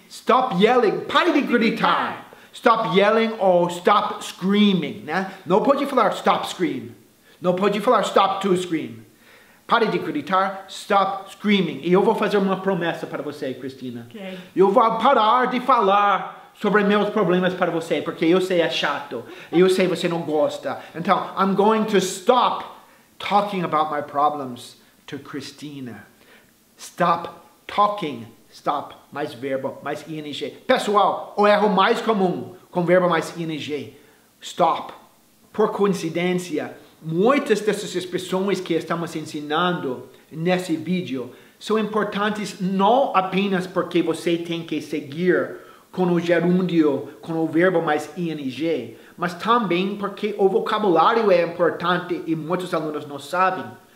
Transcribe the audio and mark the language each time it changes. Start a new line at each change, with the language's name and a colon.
English: Stop yelling.
Portuguese: Pare de gritar.
English: Stop yelling ou stop screaming. Né?
Portuguese: Não pode falar stop scream. Não pode falar stop to scream. Pare de gritar,
English: stop screaming.
Portuguese: E eu vou fazer uma promessa para você, Cristina.
English: Okay.
Portuguese: Eu vou parar de falar sobre meus problemas para você, porque eu sei é chato. Eu sei você não gosta. Então,
English: I'm going to stop talking about my problems to Cristina. Stop talking. Stop. Mais verbo. Mais ing.
Portuguese: Pessoal, o erro mais comum com verbo mais ing. Stop. Por coincidência, muitas dessas expressões que estamos ensinando nesse vídeo são importantes não apenas porque você tem que seguir com o gerúndio, com o verbo mais ing, mas também porque o vocabulário é importante e muitos alunos não sabem.